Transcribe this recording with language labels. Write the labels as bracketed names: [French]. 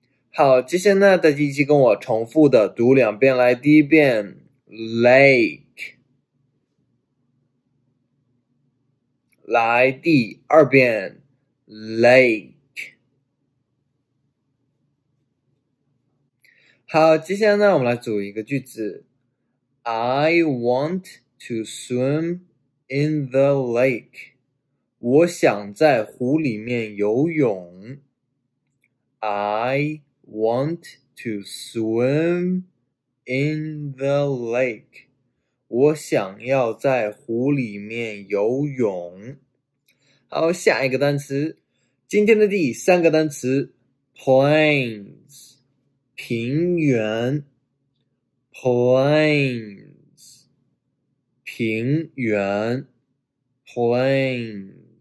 [Chinese] 好，接下来呢，大家一起跟我重复的读两遍，来，第一遍，lake，来，第二遍，lake。好，接下来呢，我们来组一个句子， [English] I want to swim in the lake。 [Chinese] 我想在湖里面游泳。 [English] I want to swim in the lake。 [Chinese] 我想要在湖里面游泳。好，下一个单词，今天的第三个单词，plains，平原，plains，平原，plains。